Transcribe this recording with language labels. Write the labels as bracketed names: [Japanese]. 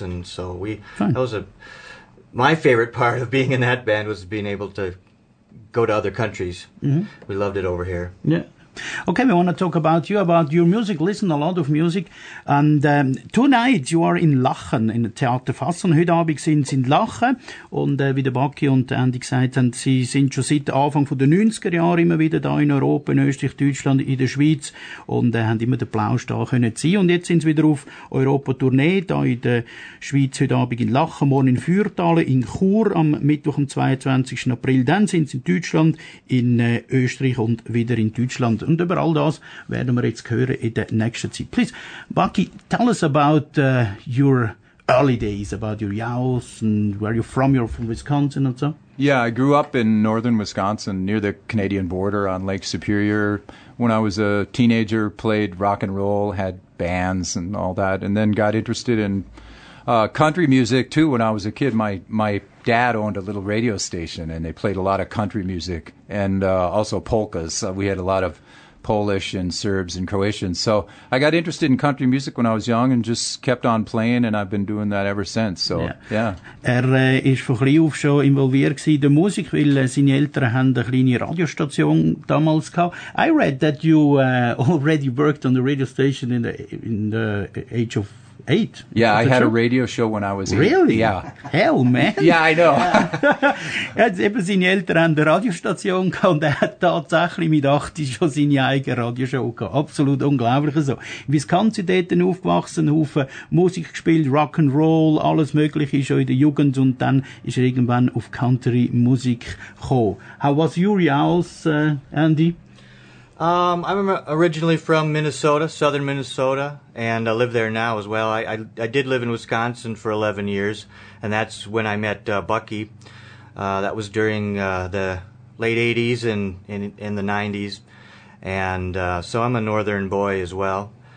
[English] And so that was my favorite part of being in that band was being able to go to other countries. Mm-hmm. We loved it over here. Yeah. Okay, we want to talk about you, about your music. Listen a lot of music. And tonight you are in Lachen, in the Theater Fasson. [German] Heute Abend sind sie in Lachen. Und wie der Bucky und Andy gesagt haben, sie sind schon seit Anfang der 90er Jahre immer wieder da in Europa, in Österreich, Deutschland, in der Schweiz. Und haben immer den Plausch da können sein. Und jetzt sind sie wieder auf Europa-Tournee, da in der Schweiz heute Abend in Lachen, morgen in Fürthalen, in Chur am Mittwoch, am 22. April. Dann sind sie in Deutschland, in Österreich und wieder in Deutschland. Und über all das werden wir jetzt hören in der nächsten Zeit. [English] Please, Bucky, tell us about your early days, about your youth and where you're from. You're from Wisconsin and so? Yeah, I grew up in northern Wisconsin near the Canadian border on Lake Superior. When I was a teenager, played rock and roll, had bands and all that, and then got interested in country music too when I was a kid. My dad owned a little radio station and they played a lot of country music and also polkas. We had a lot of Polish and Serbs and Croatians. So I got interested in country music when I was young and just kept on playing, and I've been doing that ever since. So [German] Ist von klein auf schon involviert gsi in der Musik, weil seine Eltern haben eine kleine Radiostation damals gehabt. [English] I read that you already worked on the radio station in the age of 8. Yeah, I had a radio show when I was 8. Really? Yeah. Hell, man. Yeah, I know. [German] Jetzt eben seine Eltern haben eine Radiostation gehabt und er hat tatsächlich mit 8 schon seine eigene Radioshow gehabt. Absolut unglaublich so. In Wisconsin dort aufgewachsen, Haufen Musik gespielt, Rock'n'Roll, alles Mögliche schon in der Jugend und dann ist er irgendwann auf Country-Musik gekommen. [English] How was your youth, Andy? I'm originally from Minnesota, southern Minnesota, and I live there now as well. I did live in Wisconsin for 11 years, and that's when I met Bucky. That was during the late 80s and in the 90s, and so I'm a northern boy as well.